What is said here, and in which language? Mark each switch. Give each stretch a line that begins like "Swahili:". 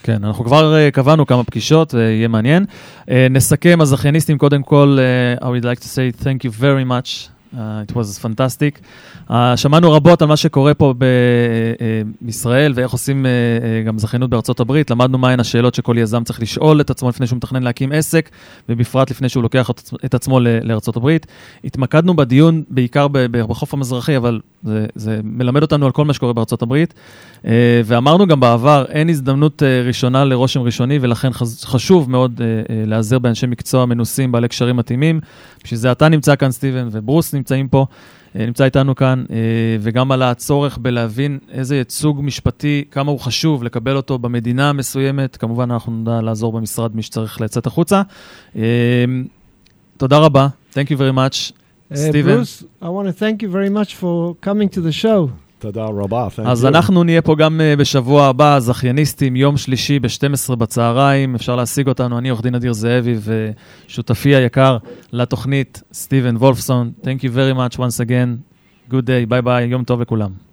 Hebrew: כן, אנחנו כבר קבענו כמה פגישות, יהיה מעניין. נסכם, אז הזכייניסטים, קודם כל,
English: I would like to say thank you very much. It was fantastic.
Hebrew: שמענו רבות על מה שקורה פה בישראל, ואיך עושים גם זכיינות בארצות הברית. למדנו מהן השאלות שכל יזם צריך לשאול את עצמו לפני שהוא מתכנן להקים עסק, ובפרט לפני שהוא לוקח את עצמו לארצות הברית. התמקדנו בדיון בעיקר בחוף המזרחי, אבל זה מלמד אותנו על כל מה שקורה בארצות הברית. ואמרנו גם בעבר, אין הזדמנות ראשונה לרושם ראשוני, ולכן חשוב מאוד לעזר באנשי מקצוע מנוסים, בעלי קשרים מתאימים. שזה אתה נמצא כאן, סטיבן, וברוס נמצאים פה, נמצא איתנו כאן, וגם על הצורך בלהבין איזה ייצוג משפטי, כמה הוא חשוב לקבל אותו במדינה המסוימת. כמובן, אנחנו נדע לעזור במשרד מי שצריך לצאת החוצה. תודה רבה.
English: Thank you very much, סטיבן. ברוס, I want to thank you very much for coming to the show.
Hebrew: תודה רבה,
English: thank
Hebrew: אז
English: you.
Hebrew: אנחנו נהיה פה גם בשבוע הבא, זכייניסטים, יום שלישי ב-12 בצהריים, אפשר להשיג אותנו, אני עורך דין אדיר זאבי, ושותפי היקר לתוכנית, סטיבן וולפסון,
English: thank you very much once again, good day,
Hebrew: ביי ביי, יום טוב לכולם.